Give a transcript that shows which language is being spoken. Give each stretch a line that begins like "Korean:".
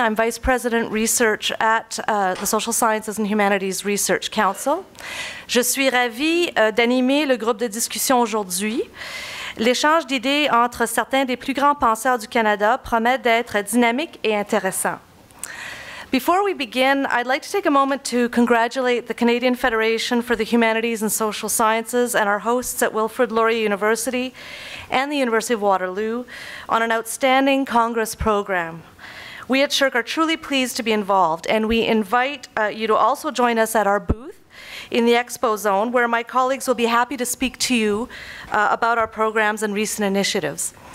English: I'm Vice President Research at the Social Sciences and Humanities Research Council.
French: Je suis ravie d'animer le groupe de discussion aujourd'hui. L'échange d'idées entre certains des plus grands penseurs du Canada promet d'être dynamique et intéressant.
English: Before we begin, I'd like to take a moment to congratulate the Canadian Federation for the Humanities and Social Sciences and our hosts at Wilfrid Laurier University and the University of Waterloo on an outstanding Congress program. We at SHRC are truly pleased to be involved, and we invite you to also join us at our booth in the Expo Zone, where my colleagues will be happy to speak to you about our programs and recent initiatives.